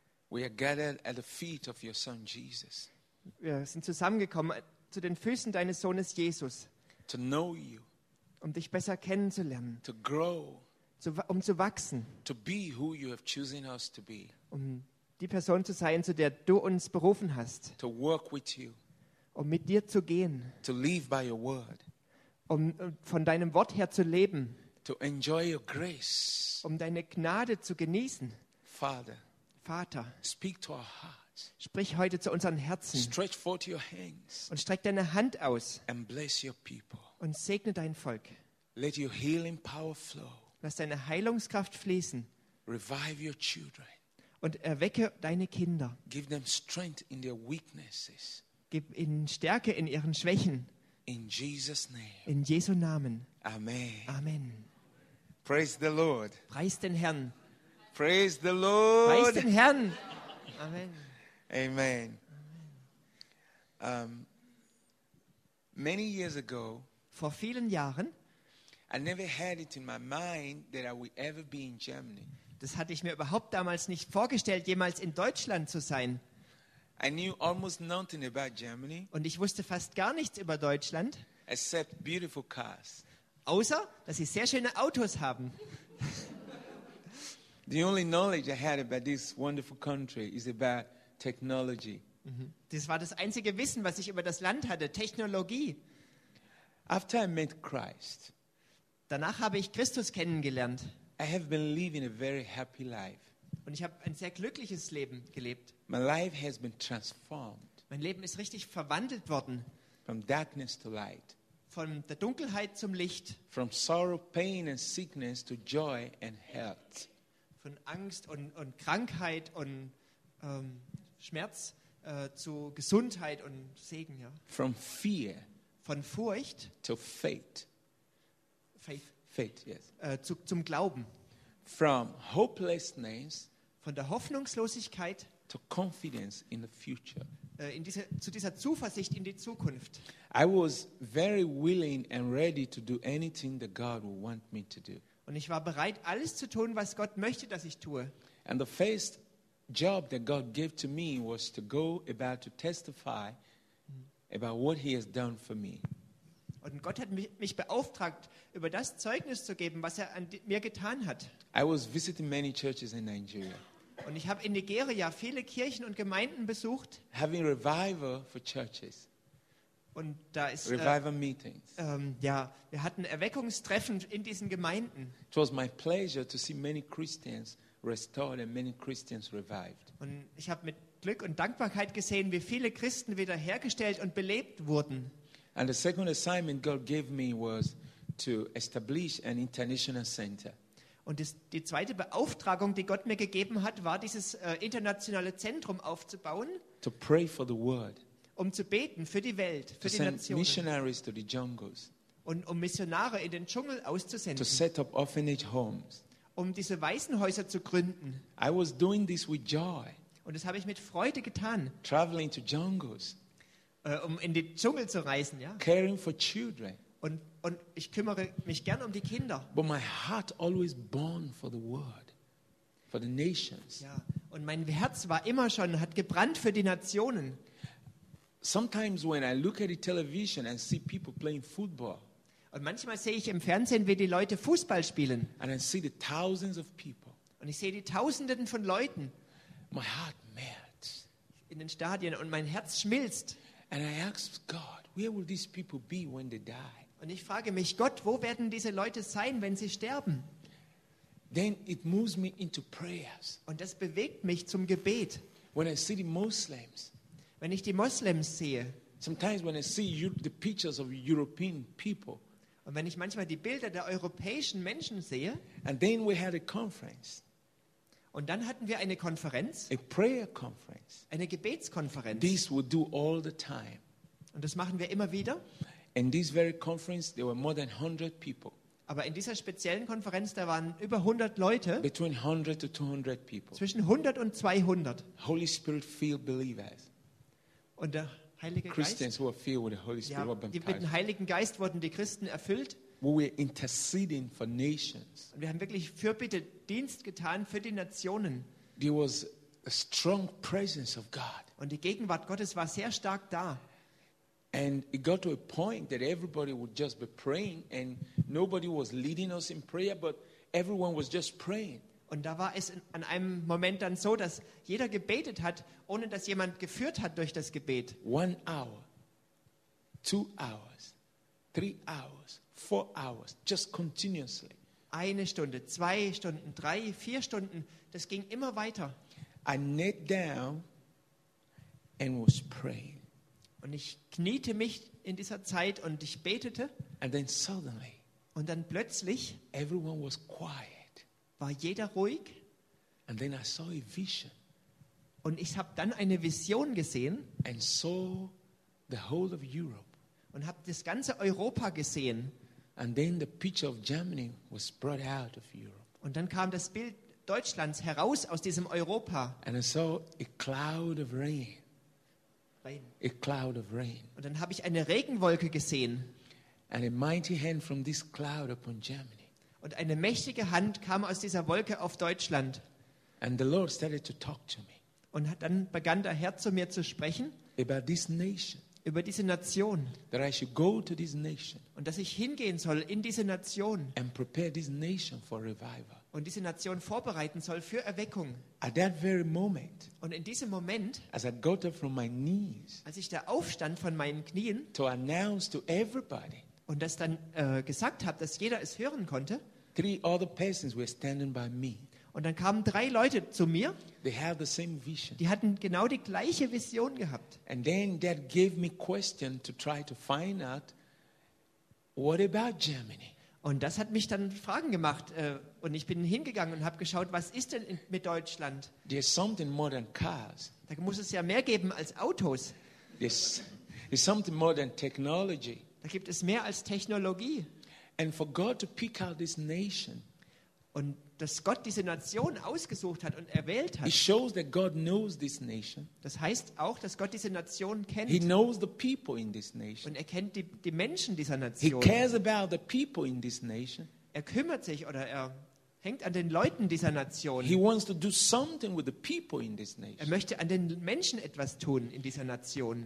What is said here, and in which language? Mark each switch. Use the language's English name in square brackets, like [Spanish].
[English] We are gathered at the feet of your Son Jesus. [German] Wir sind zusammengekommen zu den Füßen deines Sohnes Jesus. [English] To know you. [German] Um dich besser kennenzulernen. [English] To grow. [German] Um zu wachsen. [English] To be who you have chosen us to be. [German] Um die Person zu sein, zu der du uns berufen hast. [English] To work with you. [German] Um mit dir zu gehen. [English] To live by your word. [German] Um von deinem Wort her zu leben. [English] To enjoy your grace. [German] Um deine Gnade zu genießen. [English] Father. [German] Vater. [English] Speak to our hearts. [German] Sprich heute zu unseren Herzen. [English] Stretch forth your hands. [German] Und streck deine Hand aus. [English] And bless your people. [German] Und segne dein Volk. [English] Let your healing power flow. [German] Lass deine Heilungskraft fließen. [English] Revive your children. [German] Und erwecke deine Kinder. [English] Give them strength in their weaknesses. [German] Gib ihnen Stärke in ihren Schwächen. [English] In Jesus' name. [German] In Jesu Namen. [English] Amen. [German] Amen. [English] Praise the Lord. [German] Preis den Herrn. [English] Praise the Lord. [German] Preis den Herrn. Amen. [English] Amen. Many years ago. [German] Vor vielen Jahren. [English] I never had it in my mind that I would ever be in Germany. [German] Das hatte ich mir überhaupt damals nicht vorgestellt, jemals in Deutschland zu sein. [English] I knew almost nothing about Germany. [German] Und ich wusste fast gar nichts über Deutschland. [English] Except beautiful cars. [German] Außer, dass sie sehr schöne Autos haben. [English] The only knowledge I had about this wonderful country is about technology. [German] Das war das einzige Wissen, was ich über das Land hatte, Technologie. [English] After I met Christ. [German] Danach habe ich Christus kennengelernt. [English] I have been living a very happy life. [German] Und ich habe ein sehr glückliches Leben gelebt. [English] My life has been transformed. [German] Mein Leben ist richtig verwandelt worden. [English] From darkness to light. [German] Von der Dunkelheit zum Licht. [English] From sorrow, pain and sickness to joy and health. [German] Von Angst und Krankheit und Schmerz zu Gesundheit und Segen, ja. [English] From fear. [German] Von Furcht. [English] To faith. Faith. Faith, yes. [German] Zum Glauben. [English] From hopelessness. [German] Von der Hoffnungslosigkeit. [English] To confidence in the future. [German] Zu dieser Zuversicht in die Zukunft. [English] I was very willing and ready to do anything that God would want me to do. [German] Und ich war bereit, alles zu tun, was Gott möchte, dass ich tue. [English] And the first job that God gave to me was to go about to testify about what he has done for me. [German] Und Gott hat mich beauftragt, über das Zeugnis zu geben, was er an mir getan hat. [English] I was visiting many churches in Nigeria. [German] Und ich habe in Nigeria viele Kirchen und Gemeinden besucht. [English] Having revival for churches. [German] Und da ist [English] revival meetings. [German] Wir hatten Erweckungstreffen in diesen Gemeinden. [English] It was my pleasure to see many Christians restored and many Christians revived. [German] Und ich habe mit Glück und Dankbarkeit gesehen, wie viele Christen wiederhergestellt und belebt wurden. [English] And the second assignment God gave me was to establish an international center. [German] Und die zweite Beauftragung, die Gott mir gegeben hat, war dieses internationale Zentrum aufzubauen. [English] To pray for the world. [German] Um zu beten für die Welt, für die Nationen. [English] Missionaries to the jungles. [German] Und um Missionare in den Dschungel auszusenden. [English] To set up orphanage homes. [German] Um diese Waisenhäuser zu gründen. [English] I was doing this with joy. [German] Und das habe ich mit Freude getan. [English] Traveling to jungles. [German] Um in den Dschungel zu reisen, ja. [English] Caring for children. [German] Und ich kümmere mich gern um die Kinder. [English] But my heart always burned for the world, for the nations. [German] Ja, und mein Herz war immer schon, hat gebrannt für die Nationen. [English] Sometimes when I look at the television and see people playing football. [German] Und manchmal sehe ich im Fernsehen, wie die Leute Fußball spielen. [English] And I see the thousands of people. [German] Und ich sehe die Tausenden von Leuten. [English] My heart melts. [German] In den Stadien und mein Herz schmilzt. [English] And I ask God, where will these people be when they die? [German] Und ich frage mich, Gott, wo werden diese Leute sein, wenn sie sterben? [English] Then it moves me into prayers. [German] Und das bewegt mich zum Gebet. [English] When I see the Muslims. [German] Wenn ich die Moslems sehe. [English] Sometimes when I see the pictures of European people. [German] Und wenn ich manchmal die Bilder der europäischen Menschen sehe. [English] And then we had a conference. [German] Und dann hatten wir eine Konferenz. [English] A prayer conference. [German] Eine Gebetskonferenz. [English] This we do all the time. [German] Und das machen wir immer wieder. [English] In this very conference there were more than 100 people. [German] Aber in dieser speziellen Konferenz da waren über 100 Leute. [English] Between 100 to 200 people. [German] Zwischen 100 und 200. [English] Holy Spirit filled believers. [German] Und der Heilige [English] Christians [German] Geist. [English] Who are filled with the Holy Spirit. [German] Ja, die mit dem Heiligen Geist wurden die Christen erfüllt. [English] We were interceding for nations. [German] Und wir haben wirklich Fürbittedienst getan für die Nationen. [English] There was a strong presence of God. [German] Und die Gegenwart Gottes war sehr stark da. [English] And it got to a point that everybody would just be praying and nobody was leading us in prayer, but everyone was just praying. [German] Und da war es an einem Moment dann so, dass jeder gebetet hat, ohne dass jemand geführt hat durch das Gebet. [English] 1 hour, 2 hours, 3 hours, 4 hours, just continuously. [German] 1 Stunde, 2 Stunden, 3, 4 Stunden, das ging immer weiter. [English] I knelt down and was praying. [German] Und ich kniete mich in dieser Zeit und ich betete. [English] And then suddenly, [German] und dann plötzlich, [English] everyone was quiet. [German] War jeder ruhig? [English] And then I saw a vision. [German] Und ich habe dann eine Vision gesehen. [English] And saw the whole of Europe. [German] Und habe das ganze Europa gesehen. [English] And then the picture of Germany was brought out of Europe. [German] Und dann kam das Bild Deutschlands heraus aus diesem Europa. [English] And I saw a cloud of rain. Rain. A cloud of rain. [German] Und dann habe ich eine Regenwolke gesehen. [English] And a mighty hand from this cloud upon Germany. [German] Und eine mächtige Hand kam aus dieser Wolke auf Deutschland. [English] And the Lord started to talk to me. [German] Und dann begann der Herr zu mir zu sprechen. [English] About this nation. [German] Über diese Nation. [English] That I should go to this nation. [German] Und dass ich hingehen soll in diese Nation. [English] And prepare this nation for revival. [German] Und diese Nation vorbereiten soll für Erweckung. [English] At that very moment. [German] Und in diesem Moment. [English] As I got up from my knees. [German] Als ich da aufstand von meinen Knien. [English] To announce to everybody. [German] Und das dann gesagt habe, dass jeder es hören konnte. [English] Three other persons were standing by me. [German] Und dann kamen 3 Leute zu mir. [English] They had the same vision. [German] Die hatten genau die gleiche Vision gehabt. [English] And then that gave me question to try to find out what about Germany? [German] Und das hat mich dann Fragen gemacht. Und ich bin hingegangen und habe geschaut, was ist denn mit Deutschland? [English] There's something more than cars. [German] Da muss es ja mehr geben als Autos. [English] There's something more than technology. [German] Da gibt es mehr als Technologie. [English] And for God to pick out this nation, [German] und dass Gott diese Nation ausgesucht hat und erwählt hat, [English] it shows that God knows this nation. [German] Das heißt auch, dass Gott diese Nation kennt. [English] He knows the people in this nation. [German] Und er kennt die Menschen dieser Nation. [English] He cares about the people in this nation. [German] Er kümmert sich oder er hängt an den Leuten dieser Nation. [English] He wants to do something with the people in this nation. [German] Er möchte an den Menschen etwas tun in dieser Nation.